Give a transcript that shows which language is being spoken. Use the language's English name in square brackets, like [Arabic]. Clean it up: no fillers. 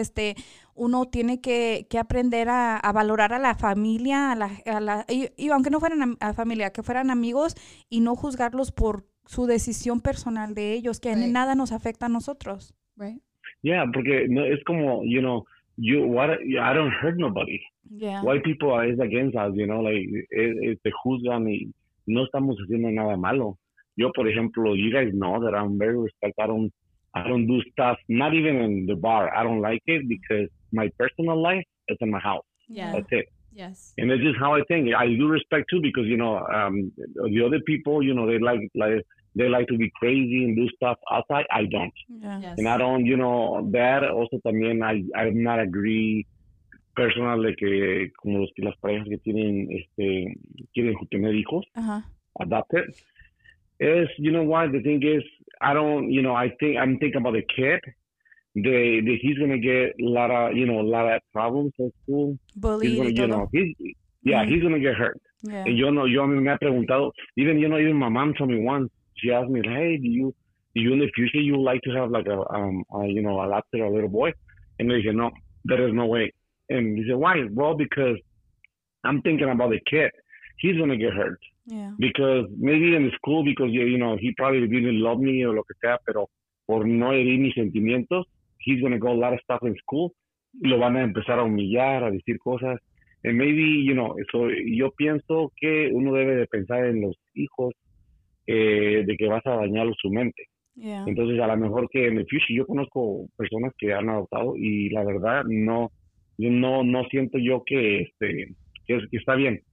[Spanish] Este, uno tiene que aprender a valorar a la familia, y aunque no fueran a familia, que fueran amigos, y no juzgarlos por su decisión personal de ellos, que [English] right. [Spanish] En nada nos afecta a nosotros. [English] Right. Yeah, [Spanish] porque no, es como, [English] you know, I don't hurt nobody. Yeah. White people are against us, you know, like, [Spanish] te juzgan y no estamos haciendo nada malo. Yo, por ejemplo, [English] you guys know that I'm very respectful. I don't do stuff, not even in the bar. I don't like it, because my personal life is in my house. Yeah. That's it. Yes. And it's just how I think. I do respect too, because, you know, the other people, you know, they like to be crazy and do stuff outside. I don't. Yeah. Yes. And I don't, you know, that also [Spanish] también [English] I do not agree. [Spanish] Personal, de que como las parejas que tienen, quieren tener hijos, uh-huh. [English] adopt it. Is, you know what, the thing is, I don't, you know, I think, I'm thinking about the kid. They he's going to get a lot of, you know, a lot of problems at school. Bullied. He's gonna, you know, he's, yeah, mm-hmm. he's going to get hurt. Yeah. And [Spanish] yo no, yo a mí me ha preguntado, [English] even, you know, even my mom told me once, she asked me, hey, do you in the future, you like to have like a you know, a laptop, a little boy? And they said, no, there is no way. And he said, why? Well, because I'm thinking about the kid. He's going to get hurt. Yeah. Because maybe in the school, because, you know, he probably didn't love me or [Spanish] lo que sea, pero por no herir mis sentimientos, [English] he's going to go a lot of stuff in school. [Spanish] Lo van a empezar a humillar, a decir cosas. [English] And maybe, you know, so [Spanish] yo pienso que uno debe de pensar en los hijos de que vas a dañar su mente. [English] Yeah. [Spanish] Entonces, a lo mejor que en el future, yo conozco personas que han adoptado y la verdad no siento yo que está bien.